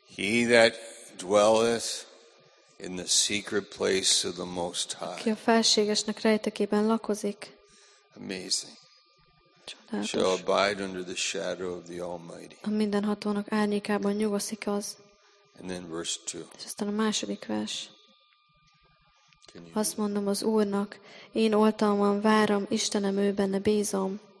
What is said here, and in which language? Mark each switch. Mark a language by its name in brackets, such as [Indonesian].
[English] He that dwelleth in the secret place of the Most High. [Hungarian] Aki a felségesnek rejtekében lakozik. [English] Amazing. Shall abide under the shadow of the Almighty. [Hungarian] A mindenhatónak árnyékában nyugoszik az. [English] And then verse 2. [Hungarian] És aztán a második vers. Azt mondom az Úrnak, én oltalmam várom, Istenem ő benne bízom.